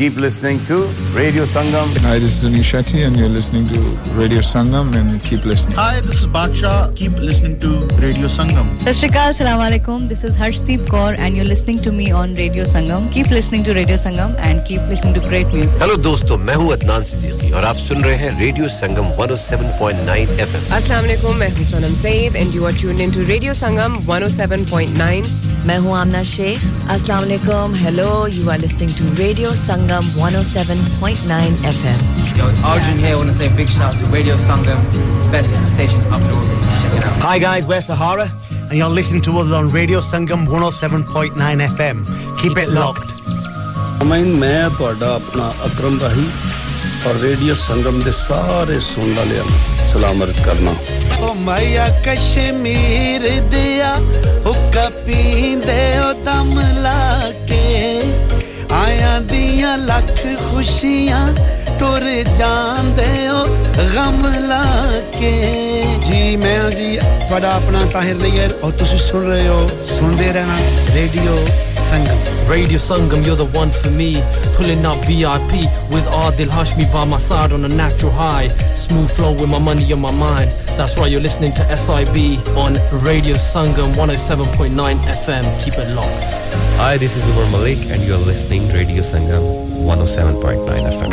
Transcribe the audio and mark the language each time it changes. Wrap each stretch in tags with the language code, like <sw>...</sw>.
<en>Keep listening to Radio Sangam. Hi, this is Zuni Shetty, and you're listening to Radio Sangam, and keep listening. Hi, this is Baksha. Keep listening to Radio Sangam. Sashrikal, Assalamu Alaikum. This is Harshdeep Kaur, and you're listening to me on Radio Sangam. Keep listening to Radio Sangam, and keep listening to great music. Hello, dosto.</en> <hi>Assalamualaikum, मैं हूँ अदनान सिद्दीकी और आप सुन रहे हैं radio संगम 107.9 FM.</hi> <en>Assalamualaikum,</en> <hi>मैं हूँ</hi> <en>Sonam Saeed and you are tuned into Radio Sangam 107.9.</en> <hi>मैं हूँ</hi> <en>Aamna Sheikh. Assalamualaikum, hello, you are listening to Radio Sangam 107.9 FM. Yo, it's Arjun here. I want to say a big shout out to Radio Sangam, best station up north. Check it out. Hi guys, we're Sahara and you're listening to us on Radio Sangam 107.9 FM. Keep it locked.</en> <pa>ਮੈਂ ਮੈਂ ਤੁਹਾਡਾ ਆਪਣਾ ਅਕਰਮ ਰਹੀ ਔਰ radio ਸੰਗਮ ਦੇ ਸਾਰੇ ਸੁਣ ਵਾਲਿਆਂ ਨੂੰ ਸਲਾਮ ਅਰਜ਼ ਕਰਨਾ ਓ ਮਾਇਆ ਕਸ਼ਮੀਰ ਦਿਆ ਹੁੱਕਾ ਪੀਂਦੇ ਓ ਦਮ ਲਾ ਕੇ ਆਇਆਂ ਦੀਆਂ ਲੱਖ ਖੁਸ਼ੀਆਂ ਟੁਰ ਜਾਂਦੇ ਓ ਗਮ ਲਾ ਕੇ ਜੀ ਮੈਂ ਜੀ ਤੁਹਾਡਾ ਆਪਣਾ ਤਾਹਿਰ ਨਈਅਰ ਔਰ ਤੁਸੀਂ ਸੁਣ ਰਹੇ ਹੋ ਸੁਣਦੇ ਰਹਿਣਾ radio Sangam.</pa> <en>Radio Sangam, you're the one for me. Pulling up VIP with Adil Hashmi by my side on a natural high. Smooth flow with my money on my mind. That's why you're listening to SIB on Radio Sangam 107.9 FM. Keep it locked. Hi, this is Umar Malik and you're listening to Radio Sangam 107.9 FM.</en>